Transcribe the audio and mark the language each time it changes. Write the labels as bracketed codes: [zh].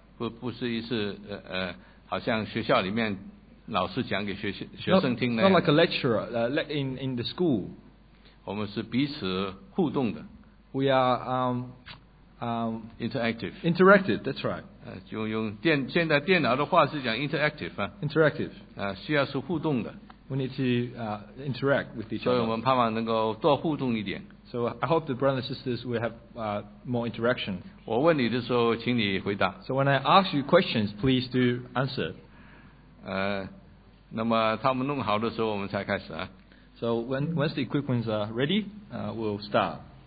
[zh] 不是一个好像学校里面 老师讲给学生听的, [en] not like a lecturer in the school. [zh] 我们是彼此互动的, [en] we are interactive. Interactive, that's right. [zh] 就用电现在电脑的话是讲 interactive, [en] interactive. [zh] 需要是互动的, [en] we need to interact with each other. [zh] 所以我们盼望能够多互动一点, [en] so I hope the brothers and sisters will have more interaction. [zh] 我问你的时候, 请你回答, [en] so when I ask you questions, please do answer. [zh] 那么他们弄好的时候我们才开始啊。 [en] So once the equipment's ready, we'll start.